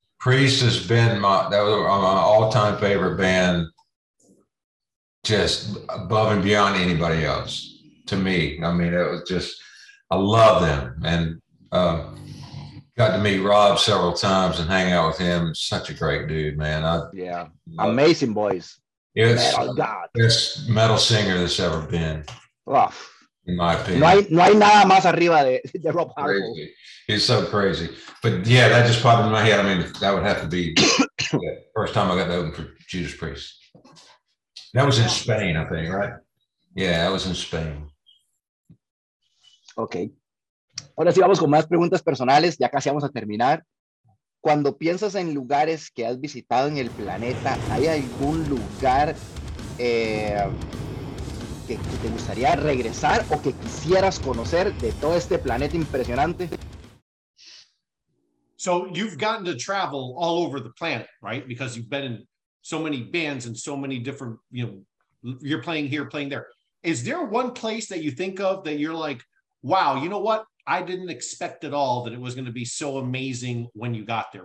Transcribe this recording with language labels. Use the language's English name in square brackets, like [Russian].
[English] Priest has been my all-time favorite band, just above and beyond anybody else to me. I mean, it was just, I love them. And got to meet Rob several times and hang out with him. Such a great dude, man. Amazing boys. It's best metal singer that's ever been, oh. in my opinion. [Spanish] No hay nada más arriba de Rob Harford. [English] He's so crazy. But yeah, that just popped in my head. I mean, that would have to be the first time I got to open for Judas Priest. That was in Spain, I think, right? Yeah, that was in Spain. [Spanish] Okay. Ahora sí, vamos con más preguntas personales. Ya casi vamos a terminar. Cuando piensas en lugares que has visitado en el planeta, ¿hay algún lugar que te gustaría regresar o que quisieras conocer de todo este planeta impresionante? [English] So you've gotten to travel all over the planet, right? Because you've been in so many bands and so many different, you know, you're playing here, playing there. Is there one place that you think of that you're like, wow, you know what? I didn't expect at all that it was going to be so amazing when you got there.